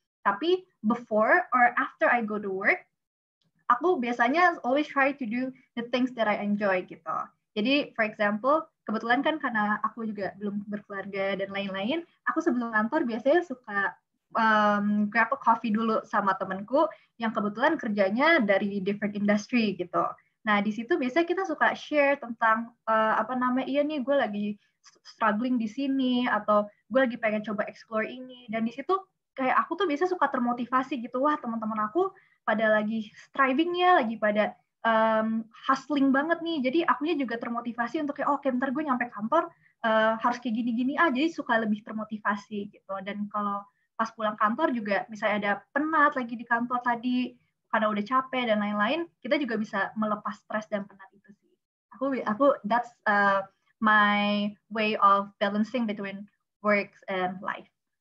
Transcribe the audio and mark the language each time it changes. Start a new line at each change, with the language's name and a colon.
Indonesian: Tapi
English: before or after I go to work,
Indonesian: aku biasanya
English: always try to do the things that I enjoy
Indonesian: gitu. Jadi for example, kebetulan kan karena aku juga belum berkeluarga dan lain-lain, aku sebelum kantor biasanya suka
English: grab a coffee
Indonesian: dulu sama temanku yang kebetulan kerjanya dari
English: different industry
Indonesian: gitu. Nah, di situ biasanya kita suka share tentang iya nih gue lagi struggling di sini atau gue lagi pengen coba explore ini, dan di situ kayak aku tuh biasanya suka termotivasi gitu. Wah, teman-teman aku pada lagi strivingnya, lagi pada hustling banget nih. Jadi akunya juga termotivasi untuk kayak,
English: oh, okay,
Indonesian: bentar gue nyampe kantor harus kayak gini-gini aja. Jadi suka lebih termotivasi gitu. Dan kalau pas pulang kantor juga misalnya ada penat lagi di kantor tadi karena udah capek dan lain-lain, kita juga bisa melepas stres dan penat itu sih. Aku
English: that's my way of balancing between work and life.